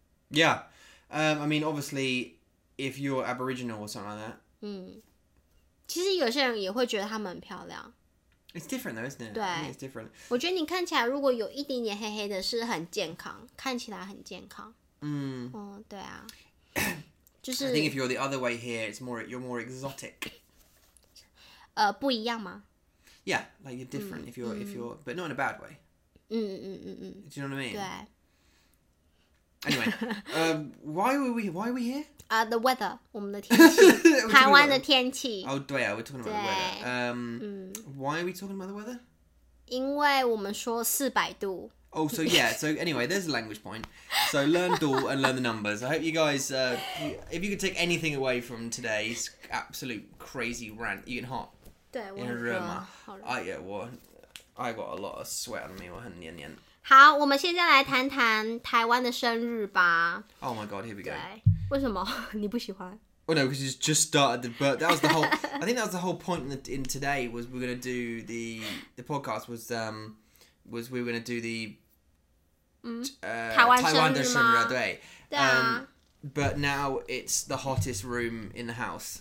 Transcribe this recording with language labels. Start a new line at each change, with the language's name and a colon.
English: 嗯 ，Yeah， I mean obviously if you're Aboriginal or something like that。
Chinese: 嗯，其实有些人也会觉得他们很漂亮。
English: It's different though, isn't it?
Chinese: 对
English: I mean, it's different.
Chinese: 我觉得你看起来如果有一点点黑黑的是很健康，看起来很健康。嗯。哦、对啊。就是。
English: I think if you're the other way here, you're more exotic.
Chinese: 不一样吗？
English: Yeah, like you're different、嗯、 if you're, but not in a bad way. 嗯嗯嗯嗯。 Do you know what I mean?
Chinese: 对。
English: Anyway, why are we here? The weather,
Chinese: 我们的天气，台湾的天气。
English: 哦、oh,
Chinese: 对啊
English: we're talking about the weather. Why are we talking about the weather?
Chinese: 因为我们说四百度。
English: Oh, so yeah, so anyway, there's a language point. So learn do and learn the numbers. I hope you guys, if you could take anything away from today's absolute crazy rant, you can hop
Chinese: 对我很热吗？好热。
English: Yeah, 我 I got a lot of sweat on me,
Chinese: 我很黏黏。好，我们现在来谈谈台湾的生日吧。
English: Oh my god, here we go.
Chinese: 对，为什么你不喜欢？
English: Well, no, because you just started the birth. That was the whole. I think that was the whole point in today was we're gonna do the podcast was we're gonna do the
Chinese: 台湾生日吗？对，对啊。
English: But now it's the hottest room in the house.